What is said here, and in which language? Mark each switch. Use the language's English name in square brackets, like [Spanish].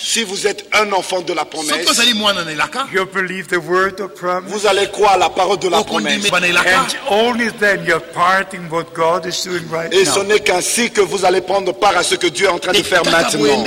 [French] si vous êtes un enfant de la promesse, [English] you believe the word of promise, [French] vous allez croire la parole de la promesse, [English] and only then you're part in what God is doing right [French] et Et ce n'est qu'ainsi que vous allez prendre part à ce que Dieu est en train de faire maintenant.